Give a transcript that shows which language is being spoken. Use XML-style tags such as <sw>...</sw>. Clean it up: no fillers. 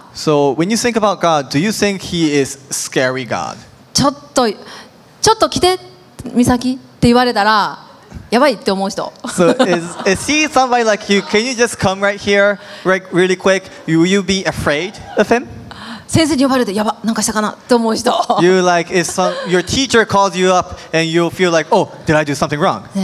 <en>So when you think about God, do you think he is scary God?</en> <ja>ちょっと来て、美咲って言われたら、やばいって思う人。</ja> <en>So is he somebody like you? Can you just come right here, right, really quick? Will you be afraid of him?</en> <ja>先生に呼ばれてやば、なんかしたかなって思う人。</ja> <en>You like if your teacher calls you up and you feel like, oh, did I do something wrong?</en>